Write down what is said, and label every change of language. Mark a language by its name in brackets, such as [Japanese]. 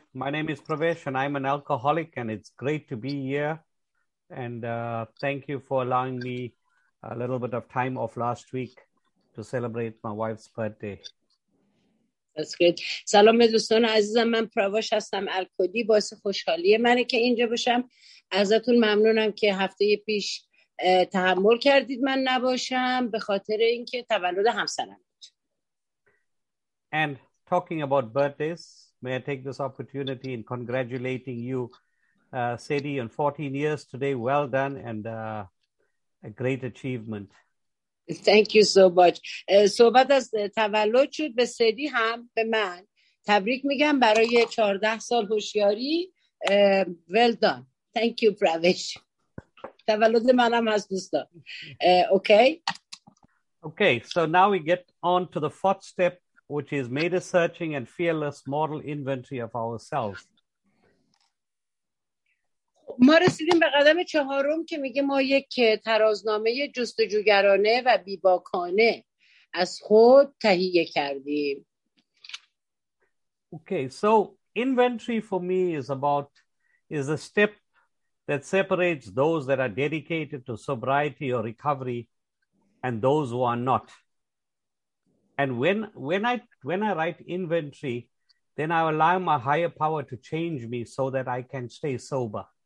[English] My name is Pravesh and I'm an alcoholic and it's great to be here. And thank you for allowing me a little bit of time off last week to celebrate my wife's birthday. That's good. [Persian] سلام دوستان عزیزم، من پرواش هستم، الکودی. باعث خوشحالی منه که اینجا باشم. ازتون ممنونم که هفته پیش تحمل کردید من نباشم به خاطر اینکه تولد همسرم بود. [English] And talking about birthdays, may I take this opportunity in congratulating you, Sadie, on 14 years today. Well done and a great achievement. Thank you so much. [Persian] صحبت از تولد شد، به سیدی هم به من تبریک میگم برای 14 سال هوشیاری. [English] Well done. Thank you, Pravesh. [Persian] تولد منم از دوستان. [English] Okay. Okay, so now we get on to the fourth step, which is made a searching and fearless moral inventory of ourselves. [Persian] ما رسیدیم به قدم چهارم که میگه ما یک ترازنامه جستجوگرانه و بیباکانه از خود تهیه کردیم. [English] Okay, so inventory for me is a step that separates those that are dedicated to sobriety or recovery and those who are not. And when I write inventory, then I allow my higher power to change me so that I can stay sober.